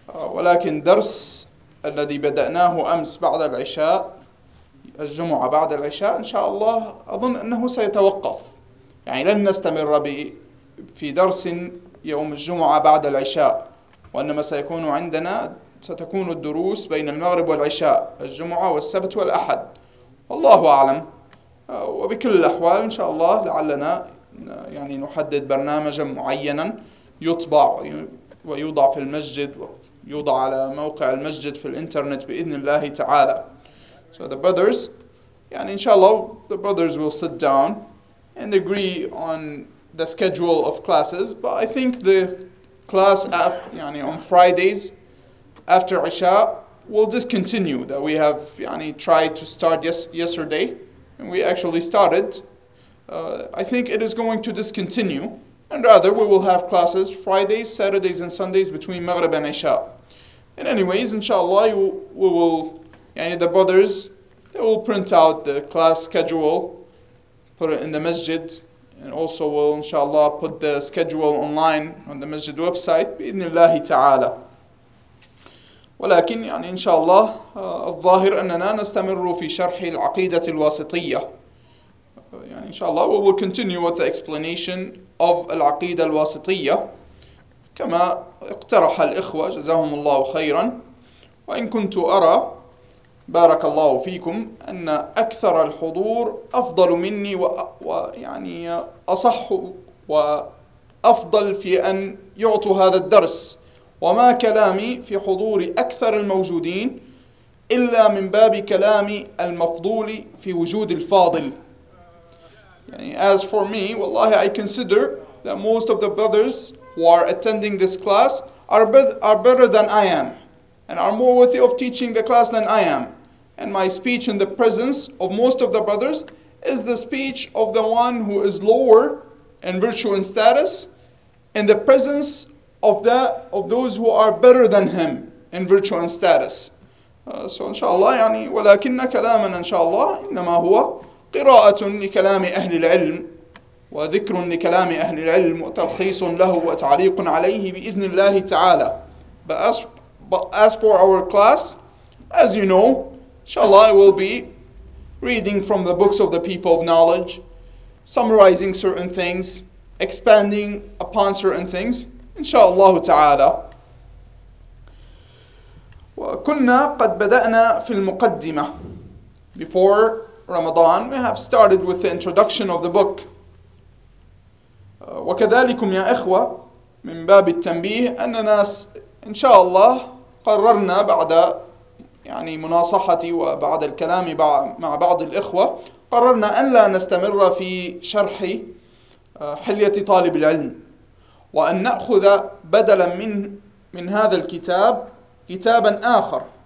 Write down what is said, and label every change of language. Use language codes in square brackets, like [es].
[ar] ولكن درس الذي بدأناه أمس بعد العشاء الجمعة بعد العشاء إن شاء الله أظن أنه سيتوقف, يعني لن نستمر في درس يوم الجمعة بعد العشاء, وإنما سيكون عندنا ستكون الدروس بين المغرب والعشاء الجمعة والسبت والأحد, والله أعلم. وبكل الأحوال إن شاء الله لعلنا يعني نحدد برنامجا معينا يطبع ويوضع في المسجد ويوضع على موقع المسجد في الإنترنت بإذن الله تعالى. [en] So the brothers, [ar] يعني إن شاء الله [en] the brothers will sit down and agree on the schedule of classes, but I think the class app, [ar] يعني [en] on Fridays after عشاء will just continue that we have يعني tried to start yesterday and we actually started. I think it is going to discontinue, and rather we will have classes Fridays, Saturdays, and Sundays between Maghrib and Isha. And anyways, inshallah, we will, [ar] يعني [en] the brothers, they will print out the class schedule, put it in the masjid, and also will, inshallah, put the schedule online on the masjid website, [ar] بإذن الله تعالى. ولكن يعني inshallah, الظاهر أننا نستمر في شرح العقيدة الواسطية. يعني إن شاء الله [en] we will continue with the explanation of [ar] العقيدة الواسطية كما اقترح الإخوة جزاهم الله خيرا. وإن كنت أرى بارك الله فيكم أن أكثر الحضور أفضل مني ويعني أصح وأفضل في أن يعطوا هذا الدرس, وما كلامي في حضور أكثر الموجودين إلا من باب كلامي المفضول في وجود الفاضل. [en] As for me, wallahi, I consider that most of the brothers who are attending this class are better than I am and are more worthy of teaching the class than I am. And my speech in the presence of most of the brothers is the speech of the one who is lower in virtue and status in the presence of that of those who are better than him in virtue and status. So inshallah, yani, [ar] ولكن كلامنا inshallah إنما هو قراءة لكلام أهل العلم وذكر لكلام أهل العلم وتلخيص له وتعليق عليه بإذن الله تعالى. [en] But as for our class, as you know, inshallah, I will be reading from the books of the people of knowledge, summarizing certain things, expanding upon certain things, inshallah تعالى. [ar] وكنا قد بدأنا في المقدمة [en] before Ramadan, we have started with the introduction of the book. [ar] وكذلكم يا إخوة من باب التنبيه أننا إن شاء الله قررنا بعد يعني مناصحتي وبعد الكلام مع بعض الإخوة قررنا أن لا نستمر في شرح حلية طالب العلم, وأن نأخذ بدلا من هذا الكتاب كتابا آخر